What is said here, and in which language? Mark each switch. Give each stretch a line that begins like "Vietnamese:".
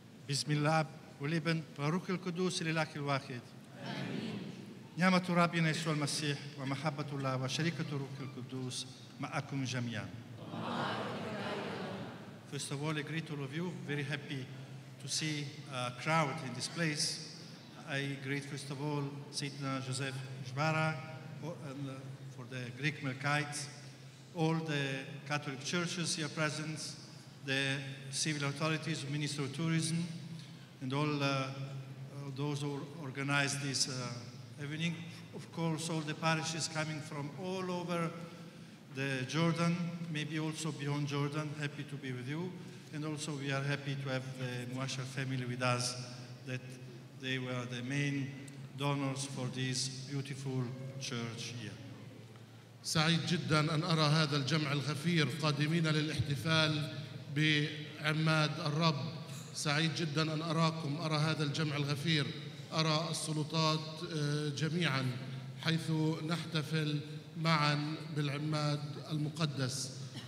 Arabic: بسم الله والابن والروح القدوس الإله الواحد. آمين. نعمة ربنا يسوع المسيح ومحبة الله وشركة الروح القدوس معكم جميعا.
English: First of all, I greet all of you. Very happy to see a crowd in this place. I greet first of all Sidna Joseph Jbara for the Greek Melkites, all the Catholic churches here present, the civil authorities, Minister of Tourism, and all those who organized this evening. Of course, all the parishes coming from all over the Jordan, maybe also beyond Jordan, happy to be with you. And also we are happy to have the Nuashar family with us, that they were the main donors for this beautiful church here.
Arabic: سعيد جدا أن أرى هذا الجمع الغفير قادمين للاحتفال بعماد الرب. سعيد جدا أن أراكم، أرى هذا الجمع الغفير، أرى السلطات جميعا حيث نحتفل معا بالعماد المقدس.